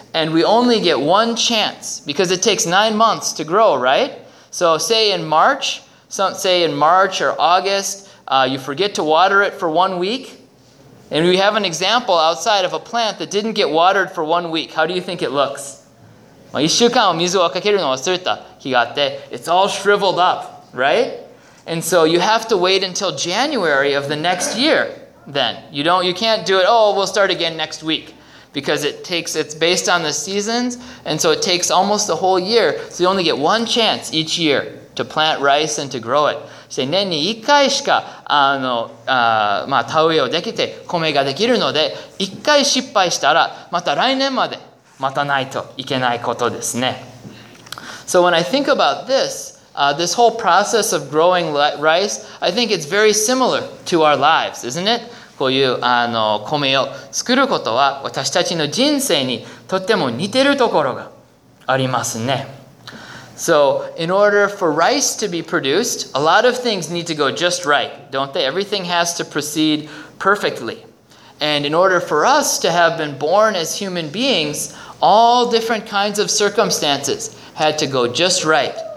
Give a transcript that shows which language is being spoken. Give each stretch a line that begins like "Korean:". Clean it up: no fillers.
English: And we only get one chance because it takes 9 months to grow, right? So say in March or August, you forget to water it for 1 week. And we have an example outside of a plant that didn't get watered for 1 week. How do you think it looks?
Japanese: まあ、1週間を水をかけるのを忘れた日があって、
English: It's all shriveled up, right? And so you have to wait until January of the next year then. You can't do it, oh, we'll start again next week. Because it's based on the seasons, and so it takes almost a whole year. So you only get one chance each year to plant rice and to grow it.
Japanese: で年に1回しかあのあ、まあ、田植えをできて米ができるので1回失敗したらまた来年まで待たないといけないことですね。
English: So when I think about this, this whole process of growing rice, I think it's very similar to our lives, isn't it?
Japanese: こういうあの米を作ることは私たちの人生にとっても似てるところがありますね。
English: So, in order for rice to be produced, a lot of things need to go just right, don't they? Everything has to proceed perfectly. And in order for us to have been born as human beings, all different kinds of circumstances had to go just right.